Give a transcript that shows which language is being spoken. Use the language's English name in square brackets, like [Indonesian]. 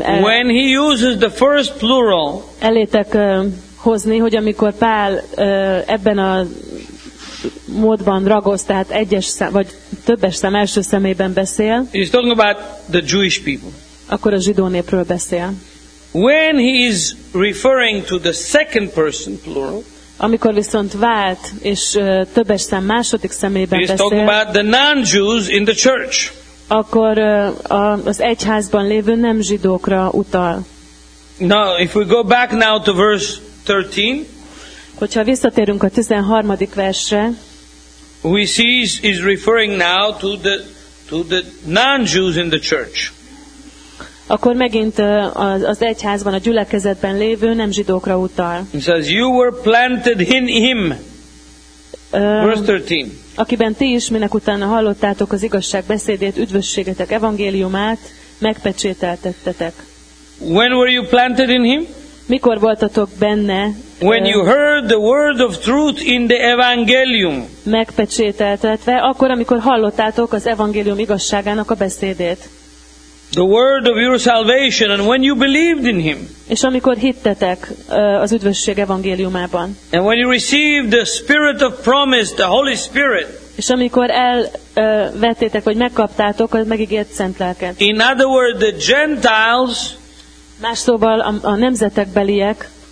[English] when he uses the first plural, [Hungarian] elétek hozni, hogy amikor Pál ebben a módban ragoz, tehát egyes szám, vagy többes szám első személyben beszél, [English] he's talking about the Jewish people. [Hungarian] Akkor a zsidó népről beszél. [English] When he is referring to the second person plural, [Hungarian] amikor viszont vált és többes szám második személyben [English] he's [Hungarian] beszél, [English] he's talking about the non-Jews in the church. [Hungarian] Akkor az egyházban lévő nem zsidókra utal. [English] Now, if we go back now to verse 13, [Hungarian] hogyha visszatérünk a 13. versre, [English] we see is referring now to the non-Jews in the church. [Hungarian] Akkor megint az egyházban, a gyülekezetben lévő nem zsidókra utal. [English] It says, you were planted in him. Verse 13. [Hungarian] Akiben ti is, minek utána hallottátok az igazság beszédét, üdvösségetek, evangéliumát, megpecsételtettetek. [English] When were you planted in him? [Hungarian] Mikor voltatok benne? [English] When you heard the word of truth in the evangelium. [Hungarian] Megpecsételtetve, akkor, amikor hallottátok az evangélium igazságának a beszédét. [English] The word of your salvation and when you believed in him. [Hungarian] És amikor hittetek az üdvösség evangéliumában. [English] And when you received the spirit of promise, the Holy Spirit. [Hungarian] És amikor elvettétek, vagy megkaptátok a megígért szent lelket. [English] In other words, the Gentiles, [Hungarian] más szóval a nemzetekbeliek,